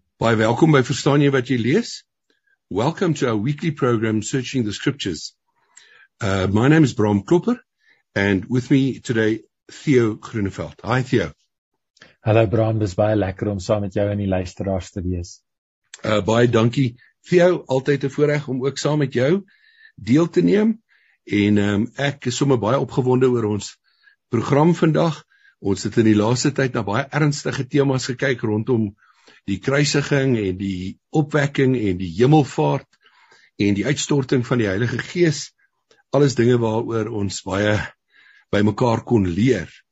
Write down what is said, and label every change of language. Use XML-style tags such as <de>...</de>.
<af>Baie welkom by Verstaan jy wat jy lees?</af> <en>Welcome to our weekly program, Searching the Scriptures. My name is Bram Klopper, and with me today, Theo Groeneveld. Hi, Theo.</en> <af>Hallo Bram, dis baie lekker om saam met jou in die luisteraars te wees. Baie dankie, Theo, altyd 'n voorreg om ook saam met jou deel te neem. En ek is sommer baie opgewonde oor ons program vandag. Ons het in die laaste tyd na baie ernstige temas gekyk rondom die kruisiging en die opwekking en die hemelvaart en die uitstorting van die Heilige Gees, alles dinge waaroor ons baie by mekaar kon leer.</af>